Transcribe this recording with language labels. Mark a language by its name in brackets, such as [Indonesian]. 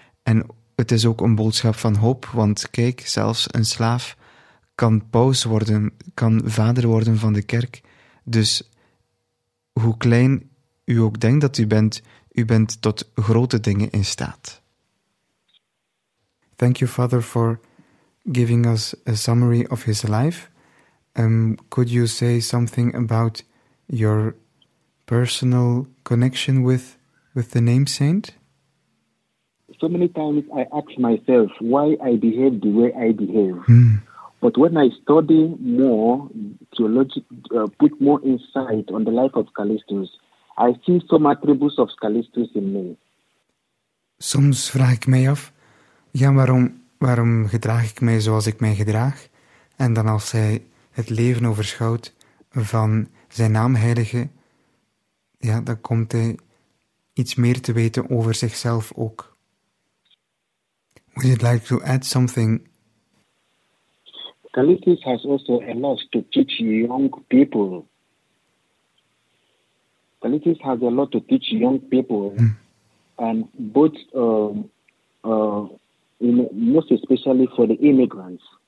[Dutch] En het is ook een boodschap van hoop, want kijk, zelfs een slaaf kan paus worden, kan vader worden van de kerk. Dus hoe klein u ook denkt dat u bent tot grote dingen in staat. [English] Thank you, Father, for giving us a summary of his life. Could you say something about your personal connection with the name saint? So many times I ask myself why I behave the way I behave. But when I study more theology, put more insight on the life of Callistus, I see some attributes of Callistus in me. [Dutch] Soms vraag ik mij af, ja, waarom gedraag ik mij zoals ik mij gedraag? En dan als hij het leven overschouwt van zijn naamheilige, ja, dan komt hij iets meer te weten over zichzelf ook. [English] Would you like to add something? Callistus has also a lot to teach young people. Callistus has a lot to teach young people. And both, most especially for the immigrants.